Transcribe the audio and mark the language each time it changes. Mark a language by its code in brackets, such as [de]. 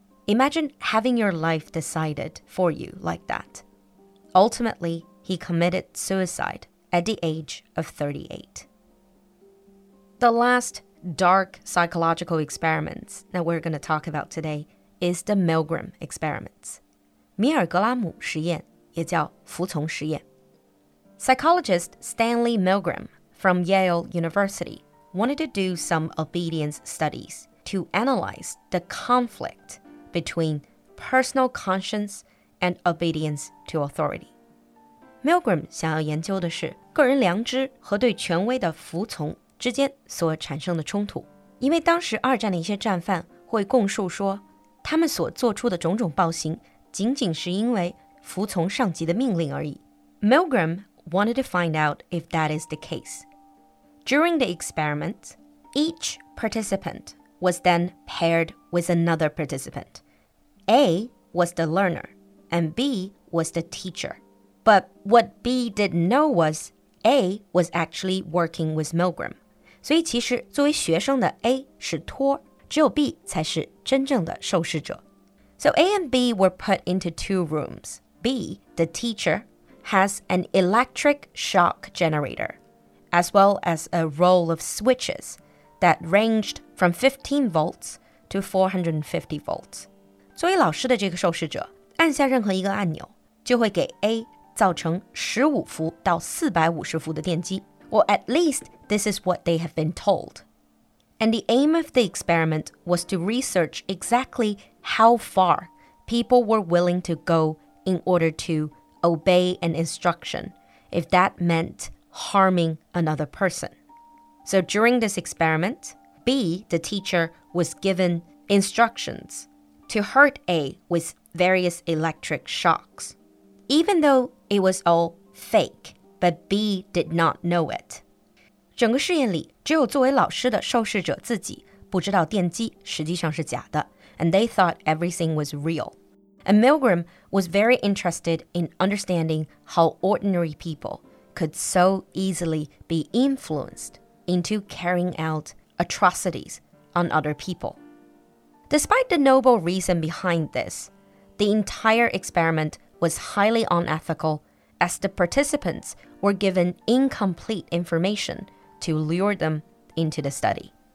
[en] Imagine having your life decided for you like that. Ultimately, he committed suicide at the age of 38. The last dark psychological experiments that we're going to talk about today is the Milgram experiments. [zh] 米尔格拉姆实验也叫服从实验。 [en] Psychologist Stanley Milgram from Yale University wanted to do some obedience studies to analyze the conflict between personal conscience and obedience to authority. [zh] Milgram 想要研究的是个人良知和对权威的服从之间所产生的冲突。因为当时二战的一些战犯会供述说，他们所做出的种种暴行仅仅是因为服从上级的命令而已。 [en] Milgram wanted to find out if that is the case. During the experiment, each participant was then paired with another participant. A was the learner, and B was the teacher. But what B didn't know was A was actually working with Milgram. [zh] 所以其实作为学生的 A 是托，只有 B 才是真正的受试者。 [en] So A and B were put into two rooms. B, the teacher, has an electric shock generator, as well as a roll of switches that ranged from 15 volts to 450 volts. [zh] 作为老师的这个受试者，按下任何一个按钮，就会给 A... 造成15伏到450伏的电击。 [en] Well, at least this is what they have been told. And the aim of the experiment was to research exactly how far people were willing to go in order to obey an instruction, if that meant harming another person. So during this experiment, B, the teacher, was given instructions to hurt A with various electric shocks. Even though it was all fake, but B did not know it. [zh] 整个试验里只有作为老师的受试者自己不知道电击实际上是假的。 [en] And they thought everything was real. And Milgram was very interested in understanding how ordinary people could so easily be influenced into carrying out atrocities on other people. Despite the noble reason behind this, the entire experimentwas highly unethical as the participants were given incomplete information to lure them into the study.